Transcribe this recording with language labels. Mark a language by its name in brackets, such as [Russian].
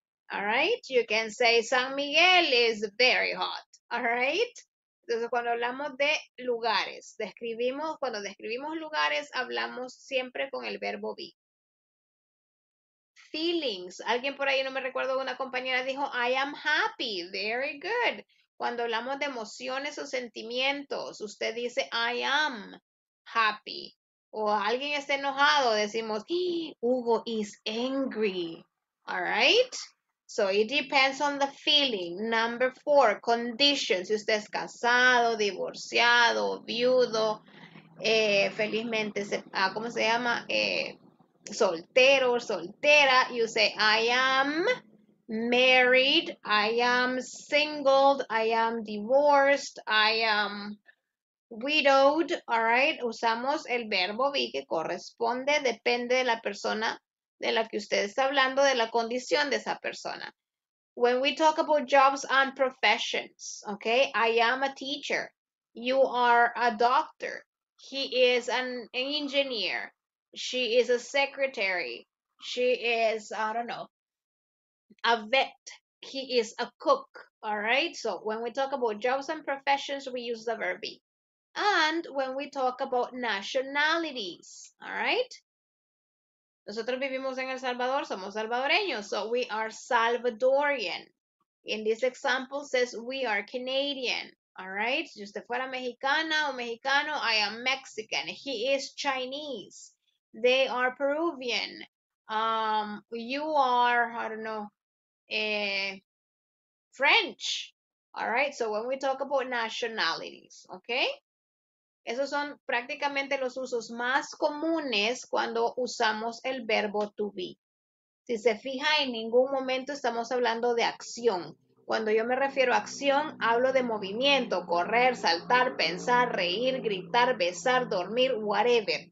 [English] All right, you can say San Miguel is very hot. [Spanish] All right, entonces cuando hablamos de lugares, cuando describimos lugares, hablamos siempre con el verbo be. Feelings. Alguien por ahí, no me recuerdo, una compañera dijo, [English] I am happy. Very good. [Spanish] Cuando hablamos de emociones o sentimientos, usted dice, [English] I am happy. [Spanish] o alguien está enojado, decimos, [English] Hugo is angry. [Spanish] All right? [English] So it depends on the feeling. Number four, conditions. [Spanish] Si usted es casado, divorciado, viudo, felizmente, ¿cómo se llama? Soltero, soltera. [English] You say, I am married, I am singled, I am divorced, I am widowed. All right? [Spanish] Usamos el verbo be que corresponde, depende de la persona de la que usted está hablando, de la condición de esa persona. [English] When we talk about jobs and professions, okay, I am a teacher, you are a doctor, he is an engineer, she is a secretary, she is, I don't know, a vet, he is a cook, all right? So when we talk about jobs and professions, we use the verb be. And when we talk about nationalities, all right? [Spanish] Nosotros vivimos en El Salvador, somos salvadoreños, [English] so we are Salvadorian. In this example, says we are Canadian, all right? [Spanish] Si usted fuera mexicana o mexicano, [English] I am Mexican. He is Chinese. They are Peruvian. You are, I don't know, French, all right? So when we talk about nationalities, okay? [Spanish] Esos son prácticamente los usos más comunes cuando usamos el verbo to be. Si se fija, en ningún momento estamos hablando de acción. Cuando yo me refiero a acción, hablo de movimiento, correr, saltar, pensar, reír, gritar, besar, dormir, whatever.